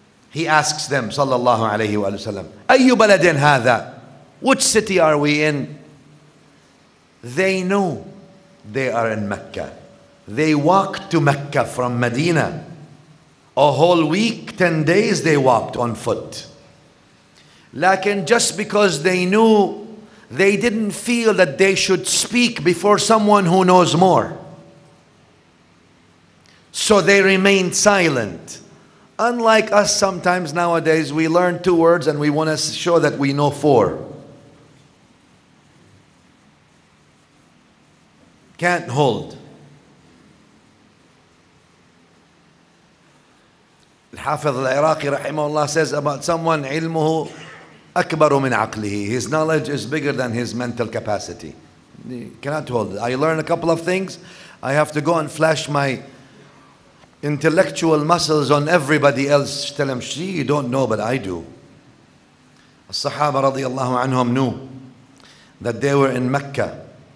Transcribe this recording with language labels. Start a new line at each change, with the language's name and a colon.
English: He asks them,
Arabic: صلى الله عليه وآله وسلم, أي بلد هذا?
English: Which city are we in? They know they are in Mecca. They walked to Mecca from Medina. A whole week, 10 days, they walked on foot. Lakin, just because they knew, they didn't feel that they should speak before someone who knows more. So they remained silent. Unlike us sometimes nowadays, we learn two words and we want to show that we know four. Can't hold.
Arabic: الحافظ العراقي رحمه الله
English: says about someone,
Arabic: علمه أكبر من عقله.
English: His knowledge is bigger than his mental capacity. He cannot hold it. I learn a couple of things, I have to go and flash my intellectual muscles on everybody else. Tell him, she, you don't know, but I do.
Arabic: الصحابة رضي الله عنهم
English: knew that they were in Mecca.